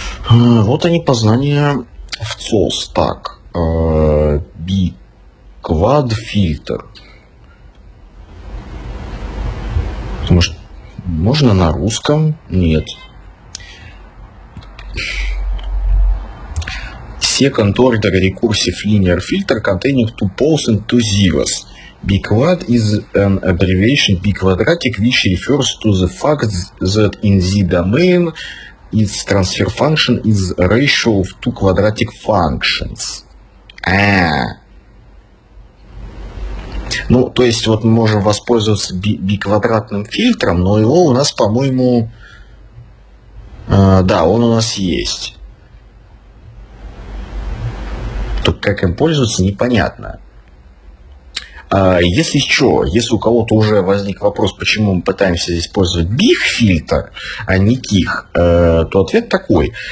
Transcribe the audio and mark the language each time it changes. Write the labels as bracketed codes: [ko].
[ru] Вот они, познания в ЦОС. Так, биквад-фильтр. Потому что можно на русском? Нет. [en] Second order recursive linear filter containing two poles and two zeros. Biquad is an abbreviation biquadratic which refers to the fact that in Z domain its transfer function is ratio of two quadratic functions. [ru] Ну, то есть вот мы можем воспользоваться биквадратным фильтром, но его у нас, по-моему, да, он у нас есть. Только как им пользоваться, непонятно. Если что, если у кого-то уже возник вопрос, почему мы пытаемся здесь использовать биг-фильтр, а не ких, то ответ такой.